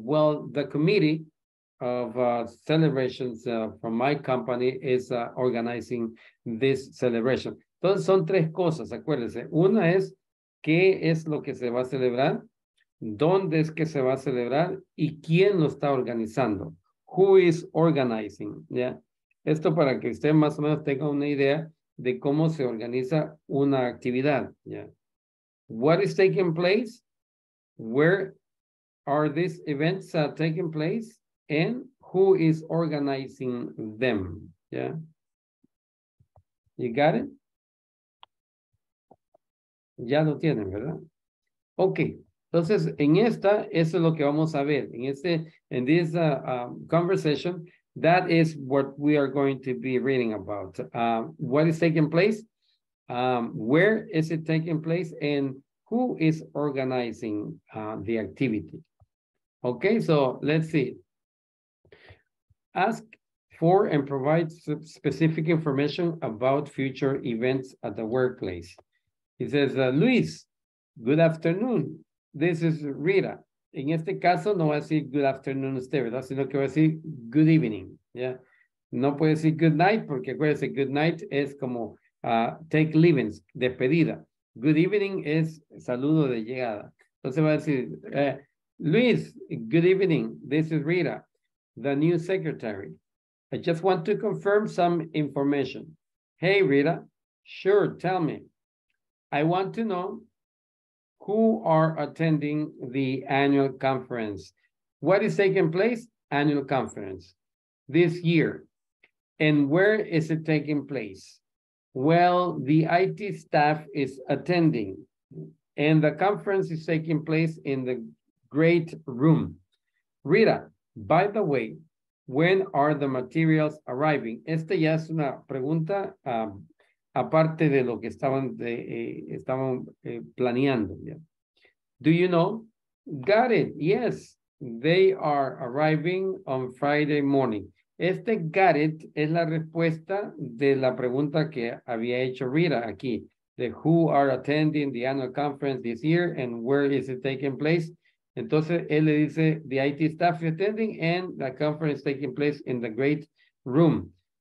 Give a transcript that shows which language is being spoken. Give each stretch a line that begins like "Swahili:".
English: Well, the committee of celebrations from my company is organizing this celebration.
Spanish: Entonces, son tres cosas, acuérdense. Una es, ¿qué es lo que se va a celebrar? ¿Dónde es que se va a celebrar? ¿Y quién lo está organizando?
English: Who is organizing? ¿Ya? Yeah.
Spanish: Esto para que usted más o menos tenga una idea de cómo se organiza una actividad.
English: Yeah. What is taking place? Where are these events taking place? And who is organizing them? Yeah. You got it?
Spanish: Ya lo tienen, ¿verdad? Okay. Entonces, en esta, eso es lo que vamos a ver.
English: In this conversation, that is what we are going to be reading about. What is taking place? Where is it taking place? And who is organizing the activity? Okay, so let's see. Ask for and provide specific information about future events at the workplace. He says, Luis, good afternoon. This is Rita.
Spanish: En este caso, no voy a decir
English: good afternoon
Spanish: usted, ¿verdad? Sino que voy a decir
English: good evening,
Spanish: ¿ya? No puede decir
English: good night,
Spanish: porque acuérdense, good night es como
English: take leave,
Spanish: despedida. Good evening es saludo de llegada. Entonces va a decir,
English: Luis, good evening, this is Rita, the new secretary. I just want to confirm some information. Hey, Rita, sure, tell me. I want to know, who are attending the annual conference? What is taking place? Annual conference this year. And where is it taking place? Well, the IT staff is attending and the conference is taking place in the great room. Rita, by the way, when are the materials arriving?
Spanish: Esta ya es una pregunta aparte de lo que estaban planeando.
English: Yeah. Do you know? Got it. Yes, they are arriving on Friday morning.
Spanish: Este got it es la respuesta de la pregunta que había hecho Rita aquí. De
English: who are attending the annual conference this year and where is it taking place?
Spanish: Entonces, él le dice,
English: the IT staff is attending and the conference is taking place in the great room.